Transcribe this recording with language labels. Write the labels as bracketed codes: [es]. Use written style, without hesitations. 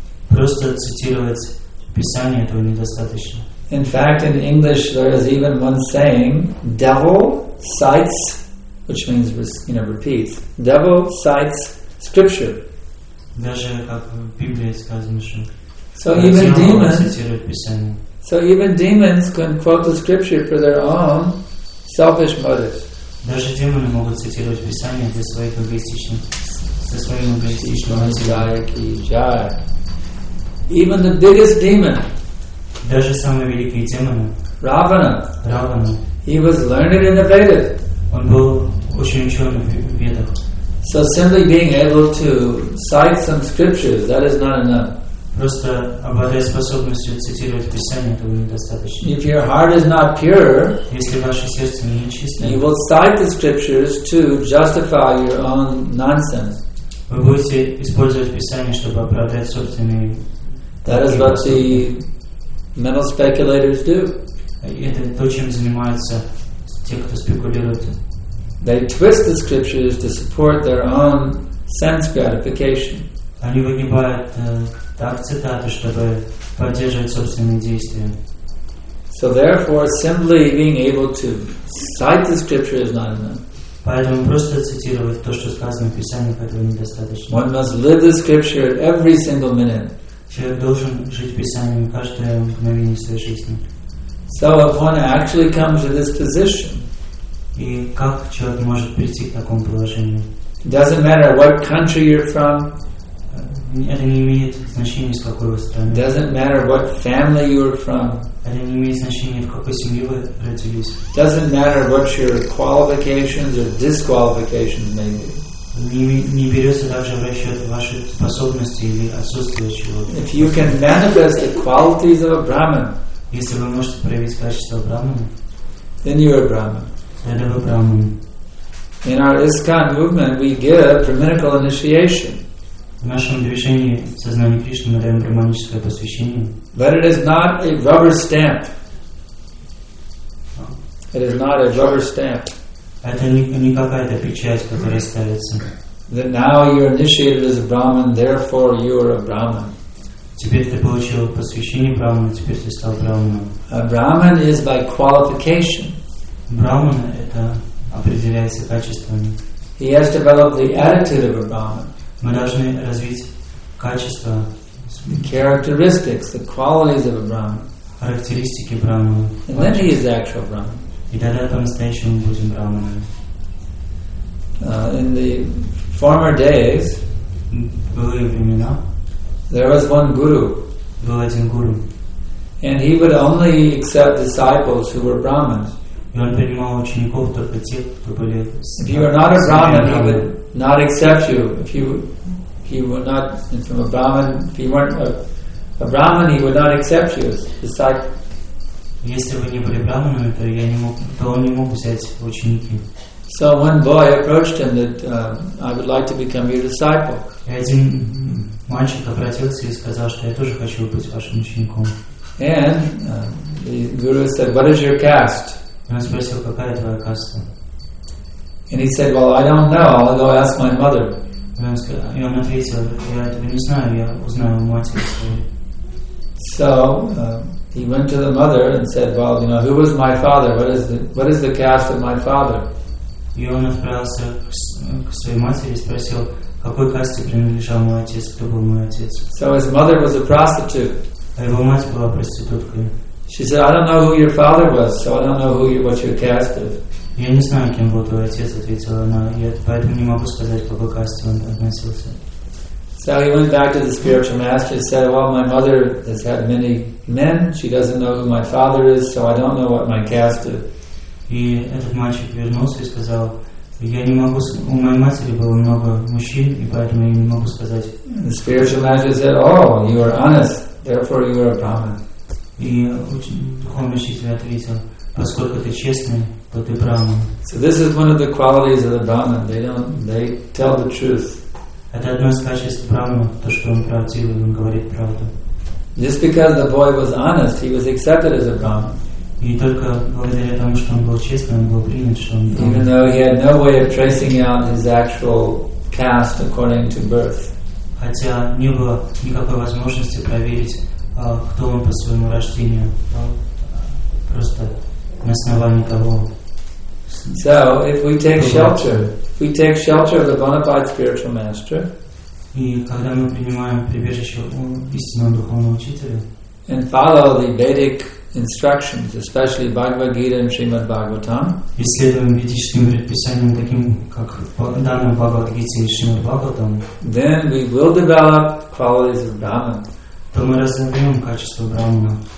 [ru] Просто цитировать Писание, этого недостаточно. [en] In fact, in English there is even one saying, devil cites, which means, you know, repeats. Devil cites scripture. [ru] Даже как в Библии сказано, что [en] So even demons can quote the scripture for their own selfish motives. [ru] Даже демоны могут цитировать Писание для своих эгоистичных, со своим эгоистичным мотивом. [en] Even the biggest demon, [ru] даже самый великий демон, [en] Равана, he was learned in the Vedas. [ru] Он был очень ученый в Ведах. [en] So simply being able to cite some scriptures, that is not enough. [ru] Просто обладая способностью цитировать Писание, этого недостаточно. [en] If your heart is not pure, [ru] если ваше сердце не чистое, [en] you will cite the scriptures to justify your own nonsense. [ru] Вы будете использовать Писание, чтобы оправдать собственные. [en] That is what the mental speculators do. [ru] Это то, чем занимаются те, кто спекулирует. [en] They twist the scriptures to support their own sense gratification. [ru] Они выгибают так цитаты, чтобы поддерживать собственные действия. [en] So therefore, simply being able to cite the scriptures is not enough. [ru] Поэтому просто цитировать то, что сказано в Писании, этого недостаточно. [en] One must live the scripture at every single minute. [ru] Человек должен жить Писанием каждое мгновение своей жизни. [en] So if one actually comes to this position, [ru] и как человек может прийти к такому положению? [en] Doesn't matter what country you're from. [ru] Это не имеет значения, с какой вы страны. [en] Doesn't matter what family you're from. [ru] Это не имеет значения, в какой семье вы родились. [en] Doesn't matter what your qualifications or disqualifications may be. [ru] Не берется также в расчет ваши способности или отсутствие чего-то. [en] If you can manifest the qualities of a Brahman, [ru] если вы можете проявить качество брахмана, [en] then you are Brahman. [ru] Тогда вы брахман. [en] In our ISKCON movement, we give brahminical initiation. [ru] В нашем движении сознания Кришны мы даем брахманическое посвящение. [en] But it is not a rubber stamp. It is not a rubber stamp. [ru] Это не какая-то печать, которая ставится. [en] That now you are initiated as a Brahman, therefore you are a Brahman. [ru] Теперь ты получил посвящение Брахмана, теперь ты стал Брахманом. [en] A Brahman is by qualification. [ru] Брахмана это определяется качествами. [en] He has developed the attitude of a Brahman. [ru] Мы должны развить качества. [en] The characteristics, the qualities of a Brahman. [ru] Характеристики Брахмана. [en] And then he is the actual Brahman. [ru] И тогда по-настоящему мы будем брахманами. [en] In the former days, [ru] были времена, [en] there was one guru. [ru] Был один гуру. [en] And he would only accept disciples who were brahmins. [ru] И он принимал учеников только тех, кто были. [en] If you are not a brahmin, he would not accept you. If you he would not, from a Brahman, if you weren't a Brahman, he would not accept you as a disciple. [ru] Если вы не были браманами, то я не мог, то он не мог взять ученики. [en] So one boy approached him that I would like to become your disciple. [ru] Один мальчик обратился и сказал, что я тоже хочу быть вашим учеником. [en] And the guru said, "What is your caste?" [ru] Он спросил, какая твоя каста. [en] And he said, "Well, I don't know. I'll go ask my mother." [ru] И он ответил, я этого не знаю, я узнаю у матери своей. [en] So he went to the mother and said, "Well, you know, who was my father? What is the caste of my father?" [ru] И он отправился к своей матери и спросил, какой касте принадлежал мой отец, кто был мой отец. [en] So his mother was a prostitute. [ru] А его мать была проституткой. [en] She said, "I don't know who your father was, so I don't know who you, what your caste is." [ru] Я не знаю, кем был твой отец, ответила она, я поэтому не могу сказать, к какой касте он относился. [en] So he went back to the spiritual master and said, "Well, my mother has had many men. She doesn't know who my father is, so I don't know what my caste is." [ru] И этот мальчик вернулся и сказал, "Я не могу. У моей матери было много мужчин, и поэтому я не могу сказать." [en] The spiritual master said, "Oh, you are honest. Therefore, you are a Brahman." [ru] И духовный учитель ответил, "Поскольку ты честный, то ты Брахман." [en] So this is one of the qualities of the Brahman. They tell the truth. [ru] Это одно из качеств Брахмана, то, что он правдивый, он говорит правду. [en] Just because the boy was honest, he was accepted as a Brahman. [ru] И только благодаря тому, что он был честным, он был принят, что он был. [en] Even though he had no way of tracing out his actual caste according to birth. [ru] Хотя не было никакой возможности проверить, кто он по своему рождению, просто на основании того. [en] So, if we take shelter, if we take shelter of the bona fide spiritual master, [ru] и когда мы принимаем прибежище у истинного духовного учителя, [en] and follow the Vedic instructions, especially Bhagavad Gita and Srimad Bhagavatam, [ru] и следуем ведическим предписаниям, таким как данным Бхагавад Гите и Шримад Бхагаватам, [en] then we will develop qualities of Brahman, [ru] то мы развиваем качество Брахмана,